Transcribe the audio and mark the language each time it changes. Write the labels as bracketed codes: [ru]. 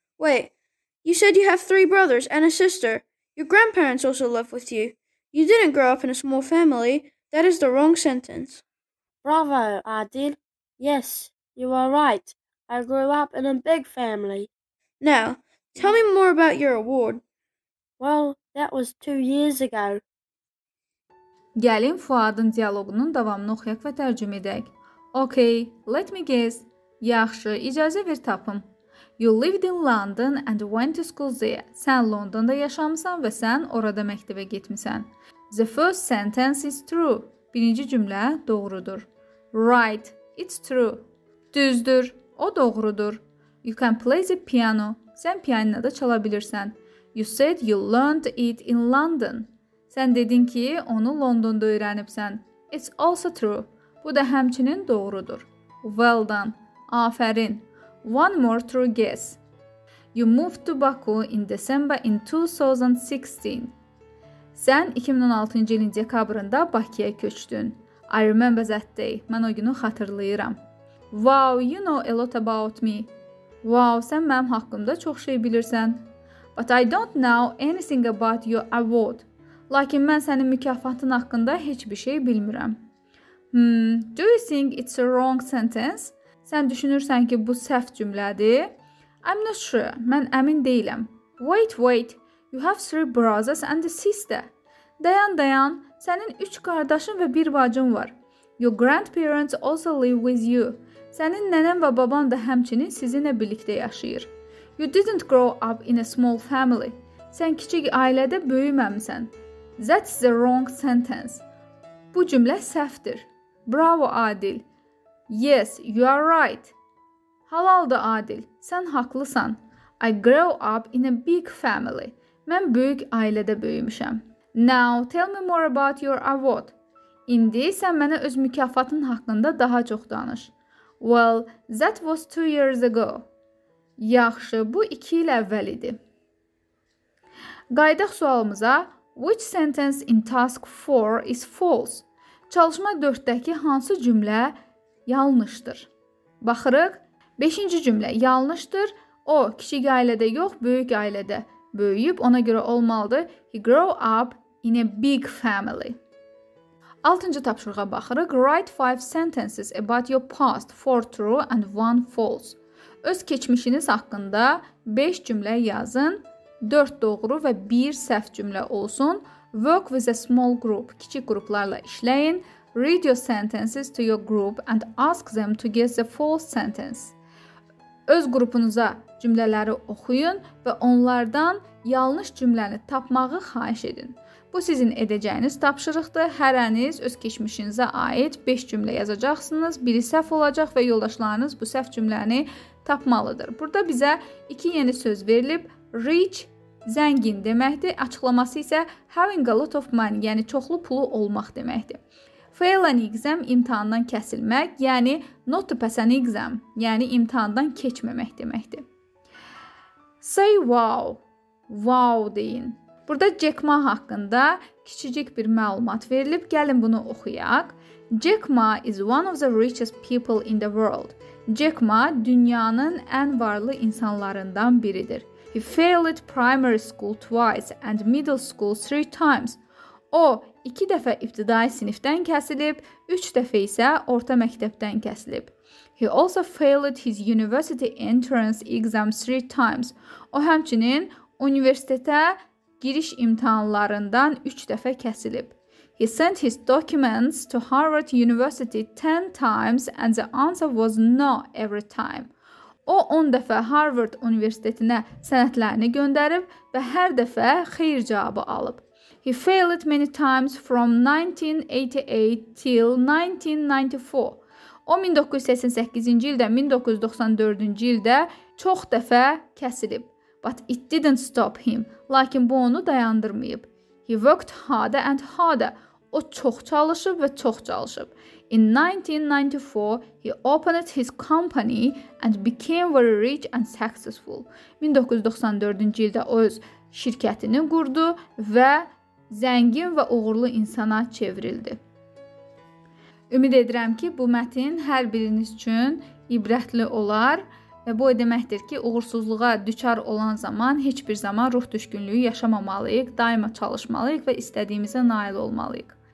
[en] Wait, you said you have 3 brothers and a sister. Your grandparents also live with you. You didn't grow up in a small family. That is the wrong sentence. Bravo, Adil. Yes, you are right. I grew up in a big family. Now, tell me more about your award. Well, that was 2 years ago. [az] Gəlin Fuadın diyaloğunun davamını oxuyaq və tərcümə edək. [en] Okay, let me guess. [az] Yaxşı, icazə ver tapım. [en] You lived in London and went to school there. [az] Sən Londonda yaşamısan və sən orada məktəbə getmisən. [en] The first sentence is true. [az] Birinci cümlə doğrudur. [en] Right, it's true. [az] Düzdür, o doğrudur. [en] You can play the piano. [az] Sən piyanonu da çala bilirsən. [en] You said you learned it in London. [az] Sən dedin ki, onu Londonda öyrənibsən. [en] It's also true. [az] Bu da həmçinin doğrudur. [en] Well done. [az] Afərin. [en] One more true guess. You moved to Baku in December in 2016. [az] Sən 2016-cı ilin dekabrında Bakıya köçdün. [en] I remember that day. [az] Mən o günü xatırlayıram. [en] Wow, you know a lot about me. [az] Wow, sən mənim haqqımda çox şey bilirsən. [en] But I don't know anything about your award. [az] Lakin mən sənin mükafatın haqqında heç bir şey bilmirəm. [en] Do you think it's a wrong sentence? [az] Sən düşünürsən ki, bu səhv cümlədir? [en] I'm not sure. [az] Mən əmin deyiləm. [en] Wait, wait. You have three brothers and a sister. [az] Dayan, dayan. Sənin üç qardaşın və bir bacın var. [en] Your grandparents also live with you. [az] Sənin nənən və baban da həmçinin sizinlə birlikdə yaşayır. [en] You didn't grow up in a small family. [az] Sən kiçik ailədə böyüməmsən. [en] That's the wrong sentence. [az] Bu cümlə səhvdir. [en] Bravo, Adil. Yes, you are right. [az] Halaldır, Adil. Sən haqlısan. [en] I grew up in a big family. [az] Mən böyük ailədə böyümüşəm. [en] Now, tell me more about your award. [az] İndi sən mənə öz mükafatın haqqında daha çox danış. [en] Well, that was 2 years ago. [az] Yaxşı, bu 2 il əvvəl idi. Qayıdaq sualımıza. [en] Which sentence in task 4 is false? [az] Çalışma 4-dəki hansı cümlə yanlışdır? Baxırıq. 5-ci cümlə yanlışdır. O, kiçik ailədə yox, böyük ailədə böyüyüb, ona görə olmalıdır. [en] He grew up in a big family. [az] 6-cı tapşırığa baxırıq. [en] Write 5 sentences about your past, 4 true and 1 false. [az] Öz keçmişiniz haqqında 5 cümlə yazın. 4 doğru və 1 səhv cümlə olsun. [en] Work with a small group. [az] Kiçik qruplarla işləyin. [en] Read your sentences to your group and ask them to guess the false sentence. [az] Öz qrupunuza cümlələri oxuyun və onlardan yanlış cümləni tapmağı xahiş edin. Bu sizin edəcəyiniz tapşırıqdır. Hər əniz öz keçmişinizə aid 5 cümlə yazacaqsınız. Biri səhv olacaq və yoldaşlarınız bu səhv cümləni tapmalıdır. Burada bizə 2 yeni söz verilib. Rich, zəngin deməkdir. Açıqlaması isə [en] having a lot of money, [az] yəni çoxlu pulu olmaq deməkdir. [en] Fail an exam, [az] imtihandan kəsilmək, yəni [en] not to pass an exam, [az] yəni imtihandan keçməmək deməkdir. [en] Say wow, wow [az] deyin. Burada Jack Ma haqqında kiçicik bir məlumat verilib. Gəlin bunu oxuyaq. [en] Jack Ma is one of the richest people in the world. [az] Jack Ma dünyanın ən varlı insanlarından biridir. [en] He failed primary school twice and middle school 3 times. [az] O, 2 dəfə ibtidai sinifdən kəsilib, 3 dəfə isə orta məktəbdən kəsilib. [en] He also failed his university entrance exam 3 times. [az] O, həmçinin universitetə giriş imtahanlarından 3 dəfə kəsilib. [en] He sent his documents to Harvard University 10 times and the answer was no every time. [az] O, 10 dəfə Harvard Universitetinə sənədlərini göndərib və hər dəfə xeyir cavabı alıb. [en] He failed many times from 1988 till 1994. [az] O, 1988-ci ildə, 1994-cü ildə çox dəfə kəsilib. [en] But it didn't stop him. [az] Lakin bu onu dayandırmayıb. [en] He worked harder and harder. [az] O, çox çalışıb və çox çalışıb. [en] In 1994, he opened his company and became very rich and successful. [az] 1994-cü ildə öz şirkətini qurdu və zəngin və uğurlu insana çevrildi. Ümid edirəm ki, bu mətin hər biriniz üçün ibrətli olar və bu o deməkdir ki, uğursuzluğa düçar olan zaman heç bir zaman ruh düşkünlüyü yaşamamalıyıq, daima çalışmalıyıq və istədiyimizə nail olmalıyıq.